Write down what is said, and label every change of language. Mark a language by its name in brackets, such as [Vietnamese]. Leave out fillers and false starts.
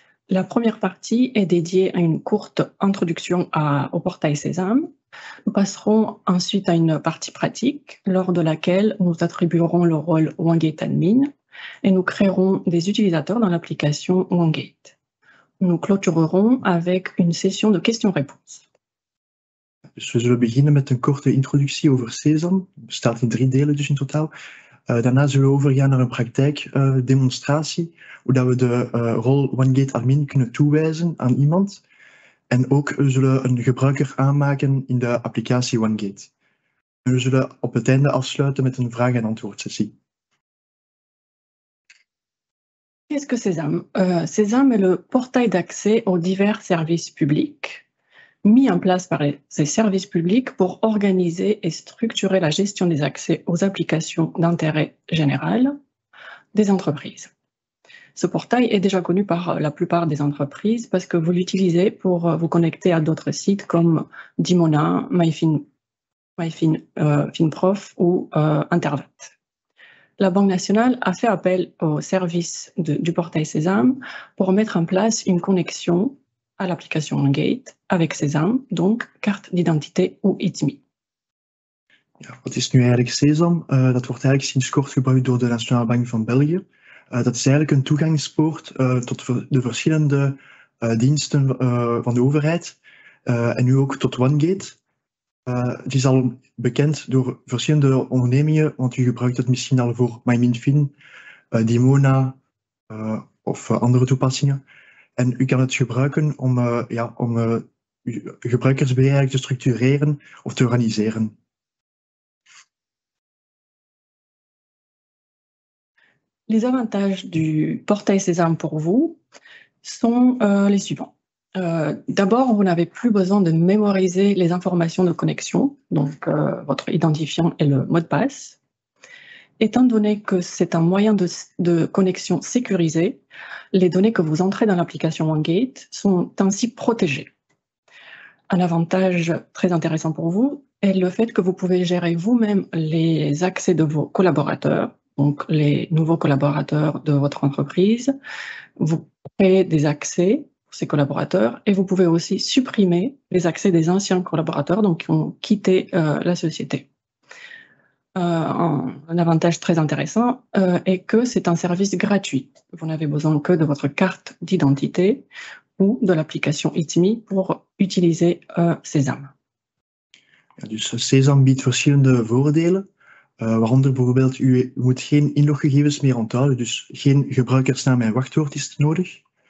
[French] La première partie est dédiée à une courte introduction au portail Sésame. Nous passerons ensuite à une partie pratique, lors de laquelle nous attribuerons le rôle OneGate Admin et nous créerons des utilisateurs dans l'application OneGate. Nous clôturerons avec une session de questions-réponses. [Dutch] Dus we zullen beginnen met een korte introductie over Sésame. Het bestaat in drie delen dus in totaal. Daarna zullen we overgaan naar een praktijkdemonstratie, hoe dat we de rol OneGate Admin kunnen toewijzen aan iemand. En ook zullen we een gebruiker aanmaken in de applicatie OneGate. En we zullen op het einde afsluiten met een vraag- en antwoordsessie. [French] Qu'est-ce que Sésame? Sésame est le portail d'accès aux divers services publics. Mis en place par ces services publics pour organiser et structurer la gestion des accès aux applications d'intérêt général des entreprises. Ce portail est déjà connu par la plupart des entreprises parce que vous l'utilisez pour vous connecter à d'autres sites comme Dimona, MyFinProf ou Intervet. La Banque nationale a fait appel au service du portail Sésame pour mettre en place une connexion à l'application OneGate avec Sésame, donc carte d'identité ou ITMI. [Dutch] Ja, wat is nu eigenlijk Sésame? Dat wordt eigenlijk sinds kort gebruikt door de Nationale Bank van België. Dat is eigenlijk een toegangspoort tot de verschillende diensten van de overheid en nu ook tot OneGate. Het is al bekend door verschillende ondernemingen, want u gebruikt het misschien al voor MyMinFin, Dimona of andere toepassingen. En u kan het gebruiken om, gebruikersbeheer te structureren of te organiseren. [French] Les avantages du portail Sésame pour vous sont les suivants. D'abord, vous n'avez plus besoin de mémoriser les informations de connexion, donc votre identifiant et le mot de passe. Étant donné que c'est un moyen de connexion sécurisé, les données que vous entrez dans l'application OneGate sont ainsi protégées. Un avantage très intéressant pour vous est le fait que vous pouvez gérer vous-même les accès de vos collaborateurs, donc les nouveaux collaborateurs de votre entreprise. Vous créez des accès pour ces collaborateurs et vous pouvez aussi supprimer les accès des anciens collaborateurs donc qui ont quitté la société. Un avantage très intéressant est que c'est un service gratuit. Vous n'avez besoin que de votre carte d'identité ou de l'application ITMI pour utiliser Sésame. [Dutch] Ja, dus Sésame biedt verschillende voordelen, waaronder bijvoorbeeld u moet geen inloggegevens meer onthouden, dus geen gebruikersnaam en wachtwoord is nodig.